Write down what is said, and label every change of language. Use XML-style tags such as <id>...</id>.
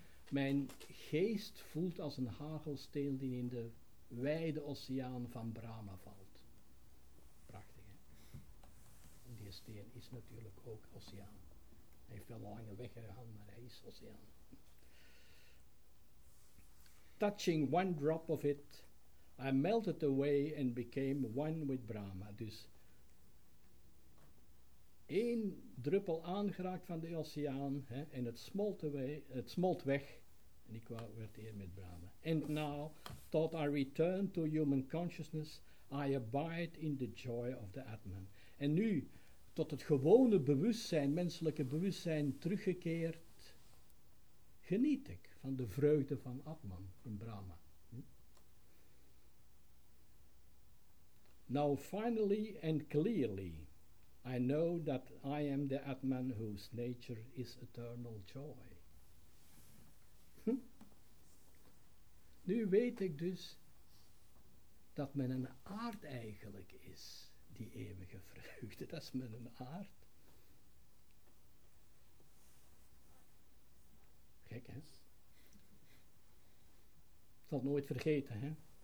<nl>Mijn geest voelt als een hagelsteen die in de wijde oceaan van Brahma valt. Steen is natuurlijk ook oceaan. Hij heeft wel een lange weg gegaan, maar hij is oceaan.</nl> <en>Touching one drop of it, I melted away and became one with Brahma.</en> <nl>Dus één druppel aangeraakt van de oceaan, hè, en het smolt weg. En ik werd één met Brahma.</nl> <en>And now, thought I return to human consciousness, I abide in the joy of the Atman.</en> <nl>En nu, tot het gewone bewustzijn, menselijke bewustzijn, teruggekeerd, geniet ik van de vreugde van Atman in Brahma.</nl> <en>Now finally and clearly, I know that I am the Atman whose nature is eternal joy.</en> <nl>Nu weet ik dus dat men een aard eigenlijk is. Die eeuwige vreugde, dat is mijn aard. Gek, hè? Ik zal het nooit vergeten, hè?</nl>